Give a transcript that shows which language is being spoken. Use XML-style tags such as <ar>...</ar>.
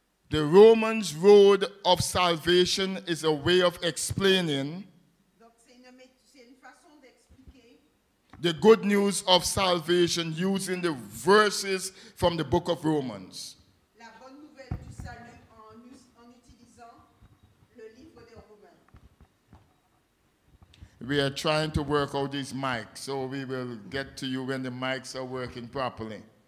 <en>The Romans' road of salvation is a way of explaining.</en> <fr>Donc, c'est une façon d'expliquer</fr> <en>the good news of salvation using the verses from the book of Romans.</en> <fr>La bonne nouvelle du salut en utilisant le livre des Romains.</fr> <en>We are trying to work out these mics, so we will get to you when the mics are working properly.</en>